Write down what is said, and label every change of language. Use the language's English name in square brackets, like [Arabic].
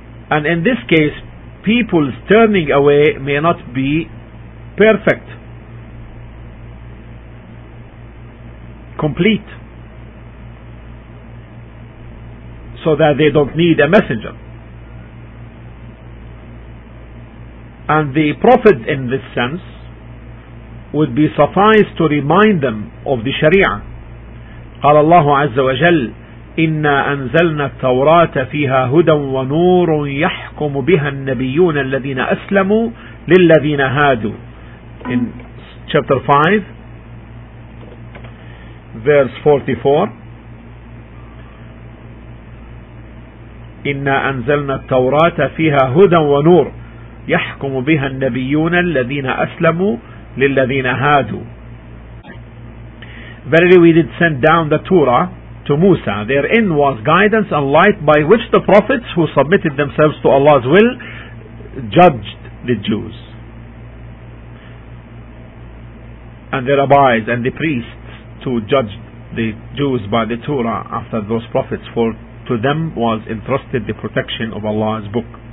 [English] And in this case, people's turning away may not be perfect, complete, so that they don't need a messenger. And the Prophet in this sense would be suffice to remind them of the Sharia. [Arabic] قال الله عز وجل إنا أنزلنا التوراة فيها هدى ونور يحكم بها النبيون الذين أسلموا للذين هادوا. In chapter 5 verse 44, إنا أنزلنا التوراة فيها هدى ونور يحكم بها النبيون الذين أسلموا للذين هادوا. [English] Verily we did send down the Torah to Musa. Therein was guidance and light by which the prophets who submitted themselves to Allah's will judged the Jews and the rabbis and the priests to judge the Jews by the Torah after those prophets, for to them was entrusted the protection of Allah's book.